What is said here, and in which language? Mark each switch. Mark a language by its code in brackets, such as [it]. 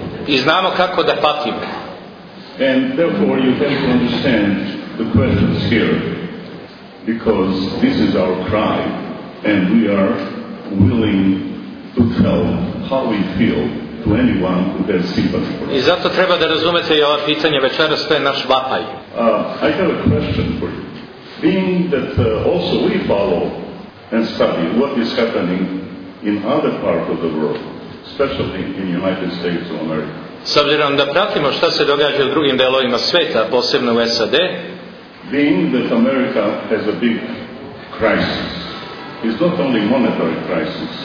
[sr] I znamo kako da patimo. [en] And therefore you have to understand the questions here, because this is our cry, and we are willing to tell how we feel to anyone who has sympathy. [sr] I zato treba da razumete i ova pitanja večeras, to je naš vapaj. [en] I have a question for you. Being that also we follow and study what is happening in other parts of the world, especially in the United States of America. [sr] S obzirom da pratimo šta se događa u drugim delovima sveta, posebno u SAD, [en] being that America has a big crisis, it's not only monetary crisis.